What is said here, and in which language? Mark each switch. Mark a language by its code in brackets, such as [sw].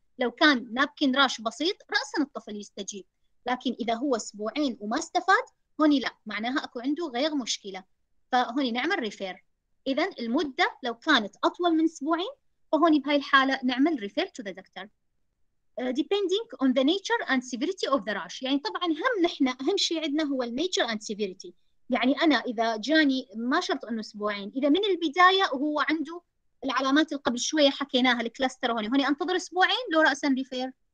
[ar] لو كان نابكن راش بسيط راسا الطفل يستجيب، لكن اذا هو اسبوعين وما استفاد هوني لا، معناها اكو عنده غير مشكله، فهوني نعمل ريفير. اذا المده لو كانت اطول من اسبوعين فهوني بهاي الحاله نعمل ريفير [en] To the doctor. Depending on the nature and severity of the rash. [ar] يعني طبعا هم نحن اهم شيء عندنا هو ال [en] nature and severity. [ar] يعني انا اذا جاني ما شرط انه اسبوعين، اذا من البدايه وهو عنده العلامات اللي قبل شويه حكيناها الكلاستر، هوني انتظر اسبوعين لو راسا ريفير؟